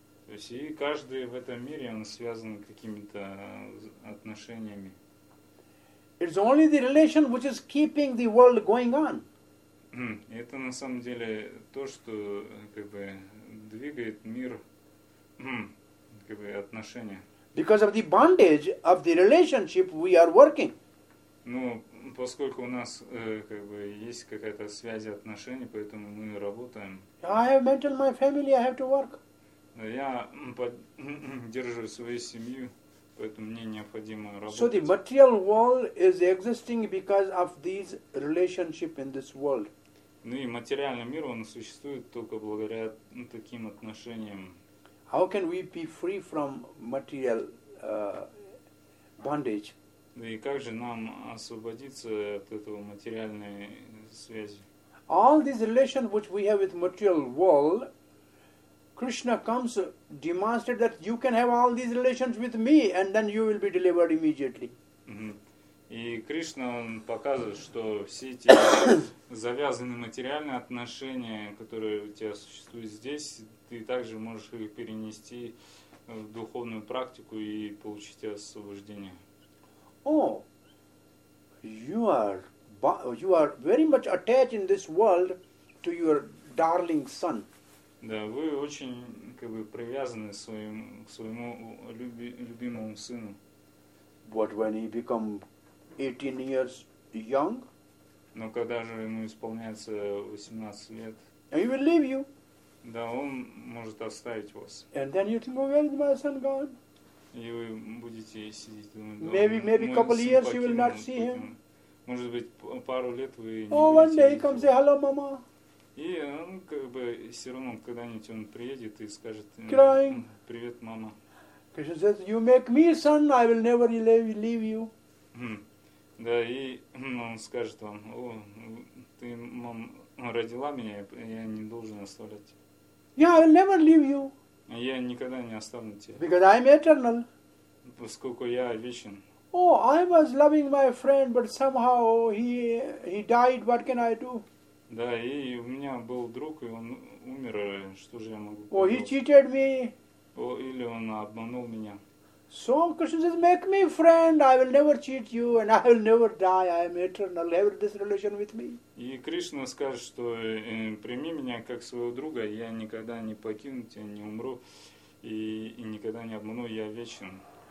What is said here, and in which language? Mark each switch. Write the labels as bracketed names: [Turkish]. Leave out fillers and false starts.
[Russian] То есть и каждый в этом мире он связан какими-то отношениями. [English] It's only the relation which is keeping the world going on. [Russian] Это на самом деле то, что как бы двигает мир, как бы отношения. [English] Because of the bondage of the relationship, we are working. [Russian] Ну, поскольку у нас как бы есть какая-то связь отношений, поэтому мы работаем. [English] I have maintained my family, I have to work. [Russian] Я поддерживаю свою семью, поэтому мне необходимо работать. [English] So the material world is existing because of these relationship in this world. [Russian] Ну и материальный мир, он существует только благодаря таким отношениям. [English] How can we be free from material bondage? [Russian] Да и как же нам освободиться от этого материальной связи? [English] All these relations which we have with material world, Krishna comes, demonstrate that you can have all these relations with me, and then you will be delivered immediately. [Russian] И Кришна он показывает, что все эти завязанные материальные отношения, которые у тебя существуют здесь, ты также можешь их перенести в духовную практику и получить освобождение. [English] Oh, you are very much attached in this world to your darling son. [Russian] Да, вы очень как бы привязаны к своему любимому сыну. [English] But when he become 18 years young. [Russian] Но когда же ему исполняется 18 лет? [English] He will leave you. [Russian] Да, он может оставить вас. [English] And then you think, where is my son gone? [Russian] И вы будете сидеть, думать, [English] maybe couple years you will not see him. [Russian] Может быть, пару лет вы не. [English] Oh, one day he comes, say hello, mama. [Russian] И он как бы все равно когда-нибудь он приедет и скажет. [English] Crying. [Russian] Привет, мама. [English] Krishna says, you make me son, I will never leave you. [Russian] Да, и он скажет вам, о, ты, мам, родила меня, я не должен оставлять тебя. [English] Yeah, I'll never leave you. [Russian] Я никогда не оставлю тебя. [English] Because I'm eternal. [Russian] Поскольку я вечен. [English] Oh, I was loving my friend, but somehow he died, what can I do? [Russian] Да, и у меня был друг, и он умер, что же я могу сделать? [English] Oh, he cheated me. [Russian] О, или он обманул меня. [English] So Krishna says, make me friend, I will never cheat you and I will never die, I am eternal, have this relation with me. [Russian] И Кришна скажет, что прими меня как своего друга, я никогда не покину тебя, не умру и никогда не обману, я вечен.